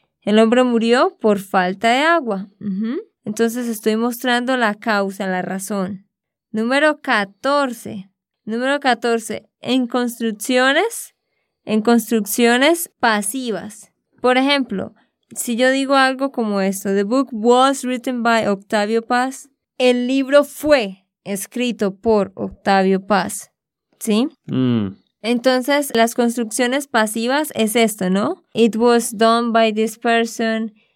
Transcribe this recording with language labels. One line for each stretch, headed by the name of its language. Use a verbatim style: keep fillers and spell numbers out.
Spanish: El hombre murió por falta de agua. Uh-huh. Entonces estoy mostrando la causa, la razón. Número catorce. Número catorce. En construcciones, en construcciones pasivas. Por ejemplo, si yo digo algo como esto.
English: The book was written by Octavio Paz.
Spanish: El libro fue escrito por Octavio Paz. ¿Sí? Mm. Entonces, las construcciones pasivas es esto, ¿no?
English: It was done by this person.